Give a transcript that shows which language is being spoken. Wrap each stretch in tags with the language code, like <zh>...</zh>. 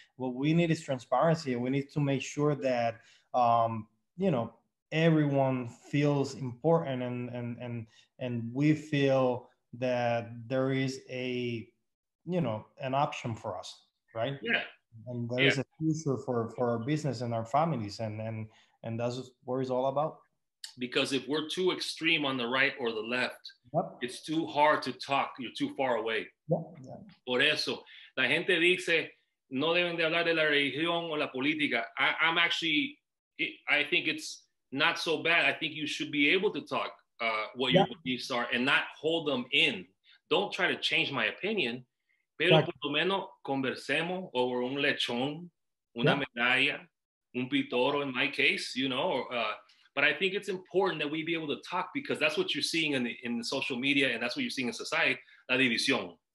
<en>What we need is transparency. We need to make sure that, you know, everyone feels important, and we feel that there is a, you know, an option for us, right? Yeah. And there is a future for our business and our families, and that's what it's all about. Because if we're too extreme on the right or the left, it's too hard to talk. You're too far away. Yeah.</en> <es>Por eso, la gente dice, no deben de hablar de la religión o la política.</es> <en>I think it's not so bad. I think you should be able to talk what your beliefs are and not hold them in. Don't try to change my opinion.</en> <es>Pero por lo menos conversemos</es> <en>over</en> <es>un lechón, una medalla, un pitoro</es> <en>in my case, you know, but I think it's important that we be able to talk, because that's what you're seeing in the social media, and that's what you're seeing in society,</en> <es>la división.</es>